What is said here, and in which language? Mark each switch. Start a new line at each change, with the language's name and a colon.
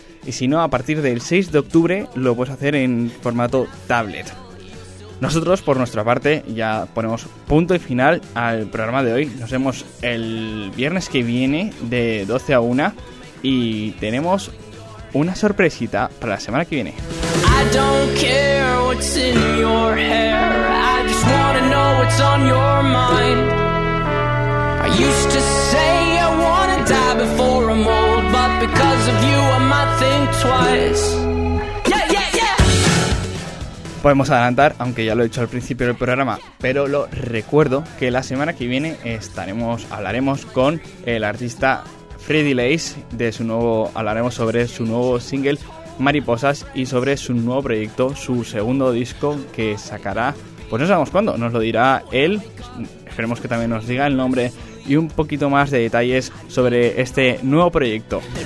Spanish: Y si no, a partir del 6 de octubre lo puedes hacer en formato tablet. Nosotros, por nuestra parte, ya ponemos punto y final al programa de hoy. Nos vemos el viernes que viene de 12 a 1 y tenemos una sorpresita para la semana que viene.
English: I don't care what's in your hair, I just wanna know what's on your mind. I used to say I wanna die before I'm old, but because of you I might think twice.
Spanish: Podemos adelantar, aunque ya lo he dicho al principio del programa, pero lo recuerdo, que la semana que viene hablaremos con el artista Freddy Lace hablaremos sobre su nuevo single Mariposas y sobre su nuevo proyecto, su segundo disco que sacará, pues no sabemos cuándo, nos lo dirá él, esperemos que también nos diga el nombre y un poquito más de detalles sobre este nuevo proyecto.